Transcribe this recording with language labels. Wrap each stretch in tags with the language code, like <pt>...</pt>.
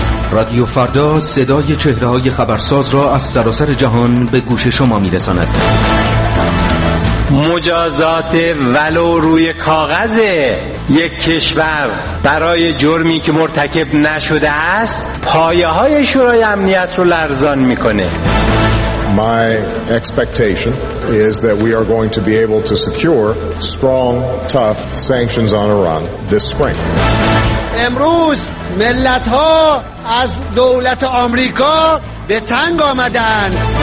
<fa>رادیو فردا صدای چهره‌های خبرساز را از سراسر جهان به گوش شما می‌رساند. مجازات ولو روی کاغذ یک کشور برای جرمی که مرتکب نشده است پایه‌های شورای امنیت را لرزان می‌کند.</fa> <en>My expectation is that we are going to be able to secure strong, tough sanctions on Iran this spring.</en> <fa>امروز ملت‌ها از دولت آمریکا به تنگ آمدند.</fa>